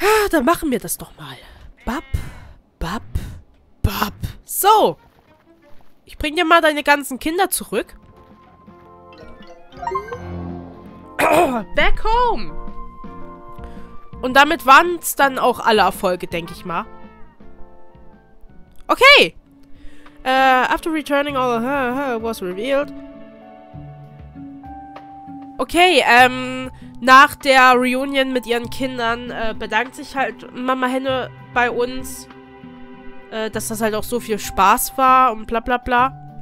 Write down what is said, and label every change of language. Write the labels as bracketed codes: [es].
[de] Dann machen wir das doch mal. Bap, bap, bap. So. Ich bring dir mal deine ganzen Kinder zurück. [en] Back home. [de] Und damit waren es dann auch alle Erfolge, denke ich mal. Okay. [en] After returning all was revealed. [de] Okay, nach der Reunion mit ihren Kindern bedankt sich halt Mama Henne bei uns, dass das halt auch so viel Spaß war und bla bla bla.